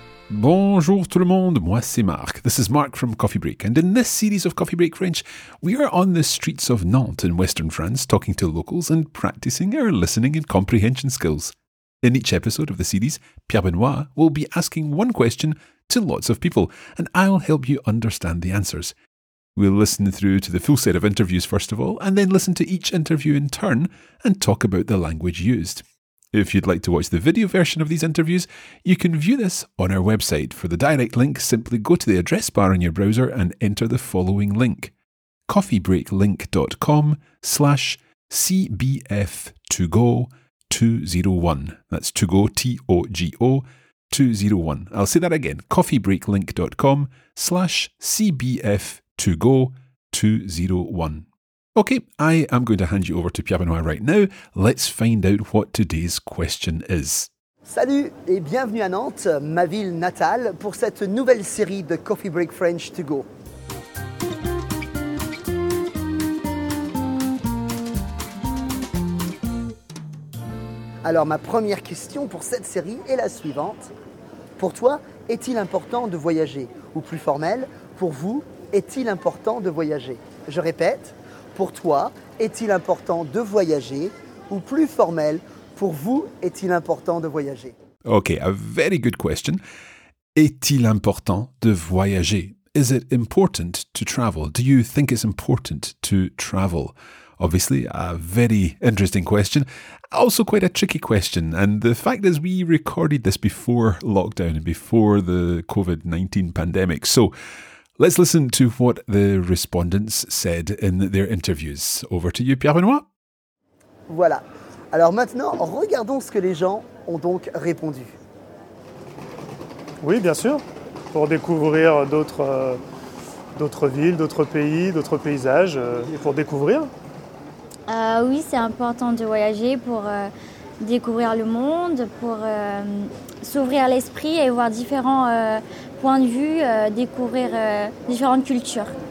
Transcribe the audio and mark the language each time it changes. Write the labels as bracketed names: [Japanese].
[French] Bonjour tout le monde, moi c'est Marc. [English] This is Marc from Coffee Break, and in this series of Coffee Break French, we are on the streets of Nantes in Western France, talking to locals and practicing our listening and comprehension skills. In each episode of the series, Pierre Benoit will be asking one question to lots of people, and I'll help you understand the answers. We'll listen through to the full set of interviews first of all, and then listen to each interview in turn and talk about the language used. If you'd like to watch the video version of these interviews, you can view this on our website. For the direct link, simply go to the address bar in your browser and enter the following link, coffeebreaklink.com/CBF2Go201. That's to go, T-O-G-O, 201. I'll say that again, coffeebreaklink.com/CBF2Go201. Okay, I am going to hand you over to Pierre Benoit right now. Let's find out what today's question is. [French] Salut et bienvenue à Nantes, ma ville natale, pour cette nouvelle série de Coffee Break French To Go. Alors, ma première question pour cette série est la suivante. Pour toi, est-il important de voyager? Ou plus formel, pour vous, est-il important de voyager? Je répète. Pour toi, est-il important de voyager? Ou plus formel, pour vous, est-il important de voyager? [English] Okay, a very good question. [French] Est-il important de voyager? [English] Is it important to travel? Do you think it's important to travel? Obviously, a very interesting question. Also quite a tricky question. And the fact is we recorded this before lockdown and before the COVID-19 pandemic. So let's listen to what the respondents said in their interviews. Over to you, Pierre Benoit. [French] Voilà. Alors maintenant, regardons ce que les gens ont donc répondu. Oui, bien sûr. Pour découvrir d'autres villes, d'autres pays, d'autres paysages. Et pour découvrir. Oui, c'est important de voyager pour découvrir le monde, pour s'ouvrir l'esprit et voir différents points de vue, découvrir différentes cultures.